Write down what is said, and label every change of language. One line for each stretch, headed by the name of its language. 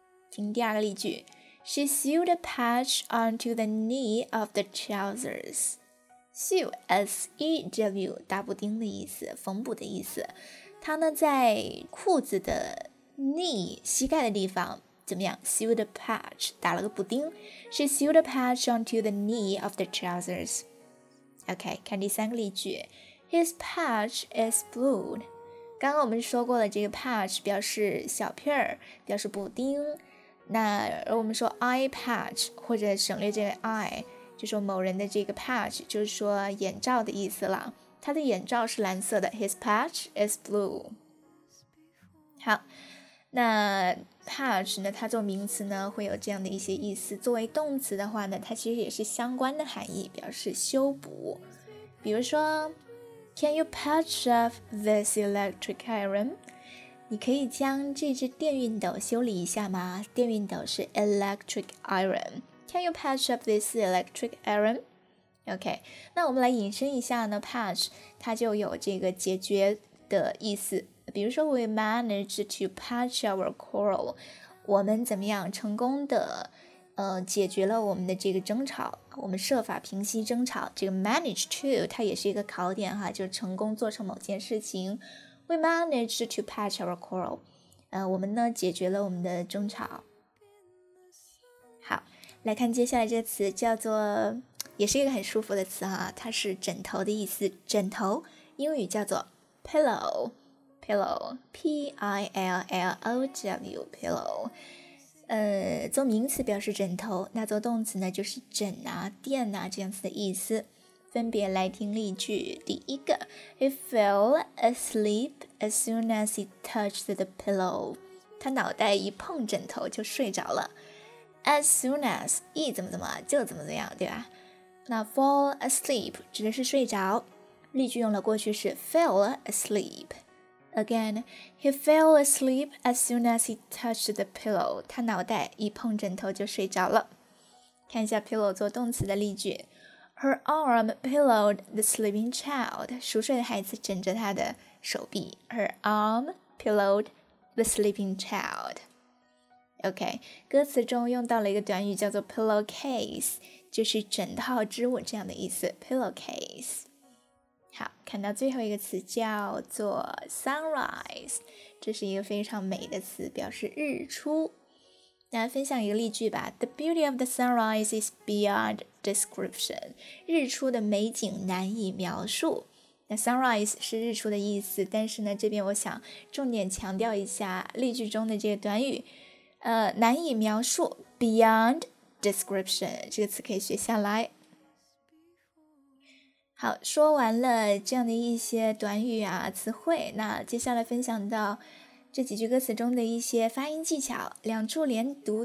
Chinese: 听第二个例句。
English: She sewed a patch onto the knee of the trousers.
Chinese: Sew, S-E-W, 打补丁的意思，缝补的意思。她呢在裤子的 knee, 膝盖的地方怎么样？
English: Sewed a patch,
Chinese: 打了个补丁。
English: She sewed a patch onto the knee of the trousers.
Chinese: OK, 看第三个例句。
English: His patch is blue.
Chinese: 刚刚我们说过了，这个 patch 表示小片儿，表示补丁。那我们说 eye patch, 或者省略这个 eye, 就说某人的这个 patch, 就是说眼罩的意思了。他的眼罩是蓝色的，
English: his patch is blue.
Chinese: 好，那 patch 呢，它做名词呢会有这样的一些意思。作为动词的话呢，它其实也是相关的含义，表示修补。比如说
English: Can you patch up this electric iron?
Chinese: 你可以将这只电熨斗修理一下吗？电熨斗是 electric iron.
English: Can you patch up this electric iron?
Chinese: OK, 那我们来引申一下呢， patch 它就有这个解决的意思。比如说
English: we managed to patch our quarrel.
Chinese: 我们怎么样成功的解决了我们的这个争吵，我们设法平息争吵。这个 manage to 它也是一个考点哈，就成功做成某件事情。
English: We managed to patch our quarrel.
Chinese: 我们呢解决了我们的争吵。好，来看接下来这个词，叫做，也是一个很舒服的词哈，它是枕头的意思。枕头，英语叫做 pillow, P-I-L-L-O-W, pillow. 做名词表示枕头，那做动词呢就是枕啊、垫啊这样子的意思。分别来听例句。第一个，
English: He fell asleep as soon as he touched the pillow.
Chinese: 他脑袋一碰枕头就睡着了。
English: As soon as,
Chinese: 一怎么怎么就怎么怎样，对吧？那 fall asleep 指的是睡着，例句用了过去式 fell asleep.
English: Again, He fell asleep as soon as he touched the pillow.
Chinese: 他脑袋一碰枕头就睡着了。看一下 pillow 做动词的例句。
English: Her arm pillowed the sleeping child.
Chinese: 熟睡的孩子枕着他的手臂。
English: Her arm pillowed the sleeping child.
Chinese: OK, 歌词中用到了一个短语叫做 pillowcase, 就是枕套织物这样的意思。
English: pillowcase.
Chinese: 好，看到最后一个词叫做 sunrise, 这是一个非常美的词，表示日出。那分享一个例句吧。
English: The beauty of the sunrise is beyond description.
Chinese: 日出的美景难以描述。那 sunrise 是日出的意思，但是呢这边我想重点强调一下例句中的这个短语，难以描述， beyond description 这个词可以学下来。好，说完了这样的一些短语啊词汇，那接下来分享到这几句歌词中的一些发音技巧，两处连读。